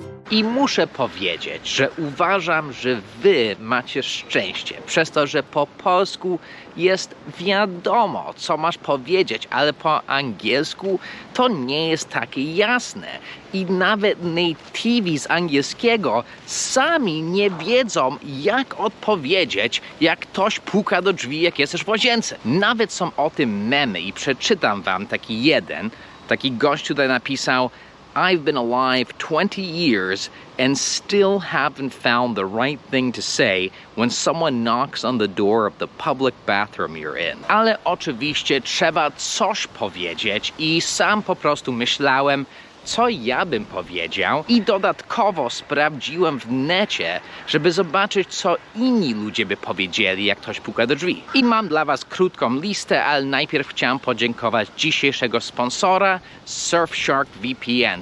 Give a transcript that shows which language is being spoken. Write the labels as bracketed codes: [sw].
[pl] I muszę powiedzieć, że uważam, że wy macie szczęście przez to, że po polsku jest wiadomo, co masz powiedzieć, ale po angielsku to nie jest takie jasne. I nawet native z angielskiego sami nie wiedzą, jak odpowiedzieć, jak ktoś puka do drzwi, jak jesteś w łazience. Nawet są o tym memy i przeczytam wam taki jeden. Taki gość tutaj napisał: [en] I've been alive 20 years and still haven't found the right thing to say when someone knocks on the door of the public bathroom you're in. [pl] Ale oczywiście trzeba coś powiedzieć i sam po prostu myślałem, co ja bym powiedział, i dodatkowo sprawdziłem w necie, żeby zobaczyć, co inni ludzie by powiedzieli, jak ktoś puka do drzwi. I mam dla was krótką listę, ale najpierw chciałem podziękować dzisiejszego sponsora, Surfshark VPN.